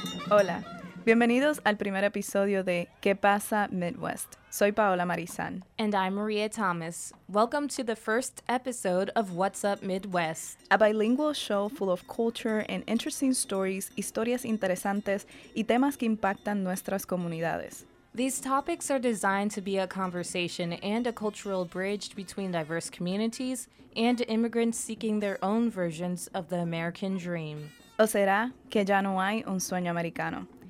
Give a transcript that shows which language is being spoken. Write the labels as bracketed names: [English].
[Spanish] Hola, bienvenidos al primer episodio de ¿Qué pasa Midwest? Soy Paola Marizan. [English] And I'm Maria Thomas. Welcome to the first episode of What's Up Midwest. A bilingual show full of culture and interesting stories, [Spanish] historias interesantes y temas que impactan nuestras comunidades. [English] These topics are designed to be a conversation and a cultural bridge between diverse communities and immigrants seeking their own versions of the American dream. [Spanish] ¿O será que ya no hay un sueño americano?